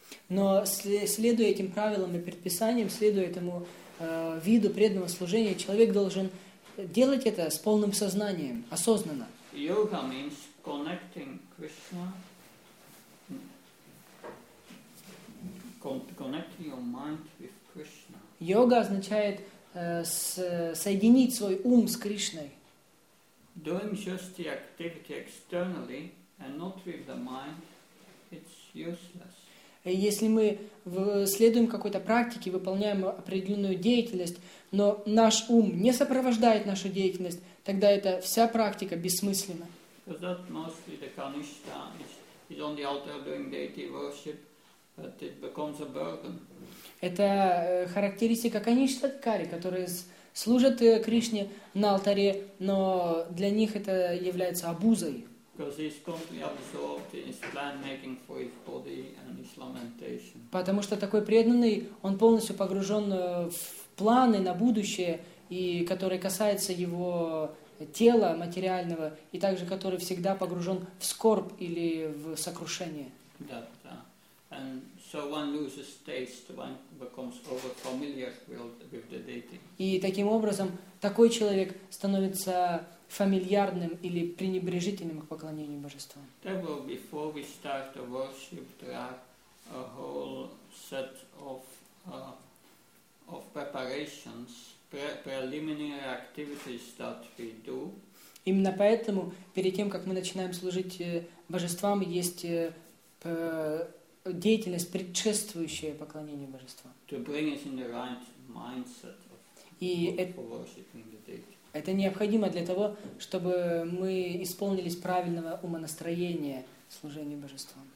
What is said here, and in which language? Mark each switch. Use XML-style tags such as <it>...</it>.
<ru>Но следуя этим правилам и предписаниям, следуя этому виду преданного служения, человек должен делать это с полным сознанием, осознанно.</ru> <en>Yoga means connecting Krishna, connecting your mind with Krishna.</en> <ru>Йога означает соединить свой ум с Кришной.</ru> <en>Doing just the activity externally and not with the mind, it's useless.</en> <ru>Если мы следуем какой-то практике, выполняем определенную деятельность, но наш ум не сопровождает нашу деятельность, тогда эта вся практика бессмысленна.</ru> <en>Because that mostly the Kanishtha is on the altar doing deity worship, but it becomes a burden.</en> <ru>Это характеристика Каништа-дхари, которые служат Кришне на алтаре, но для них это является обузой.</ru> <en>Because he's completely absorbed in his plan making for his body and his lamentation.</en> <ru>Потому что такой преданный, он полностью погружен в планы на будущее, и которые касаются его тела материального, и также который всегда погружен в скорбь или в сокрушение. Да, да.</ru> <en>And so one loses taste, one becomes over familiar with the deity.</en> <ru>И таким образом такой человек становится фамильярным или пренебрежительным к поклонению божествам.</ru> <en>Before we start to worship, there are a whole set of preparations, preliminary activities that we do.</en> <ru>Именно поэтому перед тем, как мы начинаем служить божествам, есть деятельность, предшествующая поклонению божествам.</ru> <en>To bring us in the right mindset for worshiping the deity.</en> <ru>Это необходимо для того, чтобы мы исполнились правильного умонастроения служению божествам.</ru>